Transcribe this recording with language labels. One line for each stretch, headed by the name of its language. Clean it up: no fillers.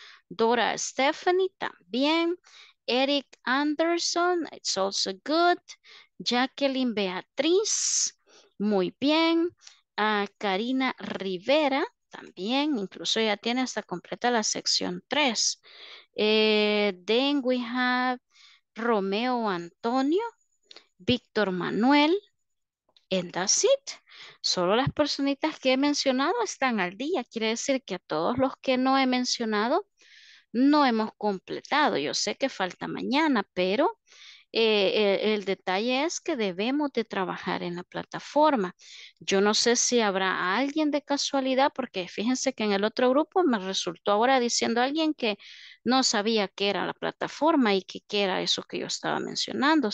English: Dora Stephanie, también. Eric Anderson, it's also good.
Spanish: Jacqueline Beatriz, muy bien. Karina Rivera, también, incluso ya tiene hasta completa la sección 3.
English: Then we have Romeo Antonio, Víctor Manuel, and that's it.
Spanish: Solo las personitas que he mencionado están al día. Quiere decir que a todos los que no he mencionado, no hemos completado. Yo sé que falta mañana, pero el detalle es que debemos de trabajar en la plataforma. Yo no sé si habrá alguien de casualidad, porque fíjense que en el otro grupo me resultó ahora diciendo a alguien que no sabía qué era la plataforma y qué era eso que yo estaba mencionando.